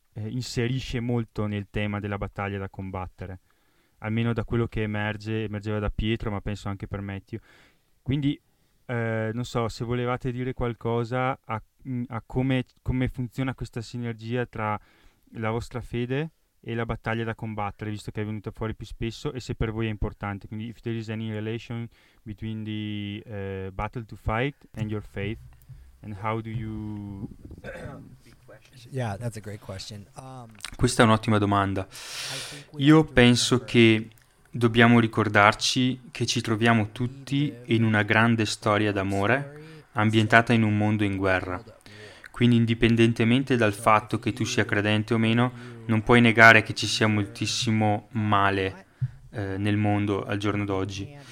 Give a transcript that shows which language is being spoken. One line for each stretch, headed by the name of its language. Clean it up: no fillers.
Italian: inserisce molto nel tema della battaglia da combattere, almeno da quello che emergeva da Pietro, ma penso anche per Matthew. Quindi non so se volevate dire qualcosa a come funziona questa sinergia tra la vostra fede e la battaglia da combattere, visto che è venuta fuori più spesso, e se per voi è importante.
English: Quindi if there is any relation between the battle to fight and your faith, and how do you... Yeah, that's a great question.
Italian: Questa è un'ottima domanda. Io penso che dobbiamo ricordarci che ci troviamo tutti in una grande storia d'amore ambientata in un mondo in guerra. Quindi, indipendentemente dal fatto che tu sia credente o meno, non puoi negare che ci sia moltissimo male nel mondo al giorno d'oggi.